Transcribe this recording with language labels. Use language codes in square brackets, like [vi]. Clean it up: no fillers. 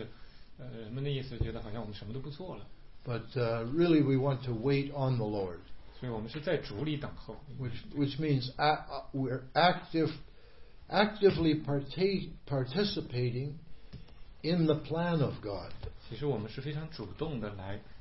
[zh] 就是说呢，人们认为呢，如果我们就是来等候神，其实是人们的意思，觉得好像我们什么都不做了。But [en] really, we want to wait on the Lord. [zh] 所以我们是在主里等候。 [en] Which means we're actively participating in the plan of God. [zh] 其实我们是非常主动的来。